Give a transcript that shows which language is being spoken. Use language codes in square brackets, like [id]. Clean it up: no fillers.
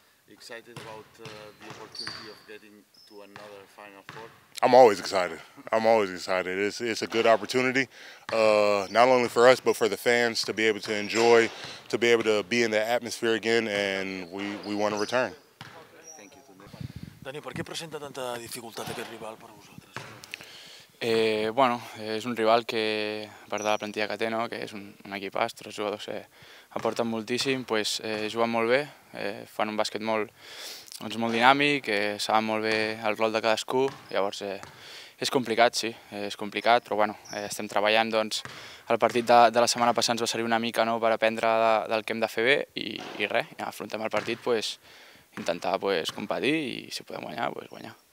[en] Excited about the opportunity of getting to another Final Four? I'm always excited. It's a good opportunity, not only for us, but for the fans to be able to enjoy, to be able to be in the atmosphere again, and we want to return. [es] Dani, ¿por qué presenta tanta dificultad aquel rival para vosotros? Bueno, es un rival que, aparte de la plantilla [ca] que té, no, que es un equipazo, los jugadores aporten moltíssim, pues juguen molt bé, fan un bàsquet molt, doncs, molt dinàmic, saben molt bé el rol de cadascú, llavors és complicat, sí, és complicat, però bueno, estem treballant, doncs, el partit de la setmana passada ens va servir una mica, no, per aprendre del que hem de fer bé i res, ja afrontem el partit, pues, intentar, pues, competir i si podem guanyar, pues guanyar.